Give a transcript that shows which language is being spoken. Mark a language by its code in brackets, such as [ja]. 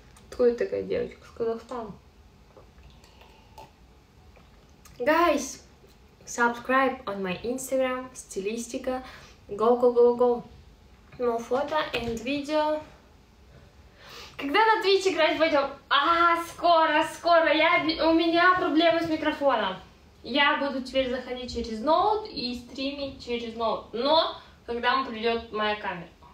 [ru] Какой такая девочка с Казахстана? [en] Guys, subscribe on my Instagram, стилистика. Go, go, go, go. No photo and video. [ru] Когда на Twitch играть будем? Скоро. У меня проблемы с микрофоном. Я буду теперь заходить через ноут и стримить через ноут. Но когда придет моя камера.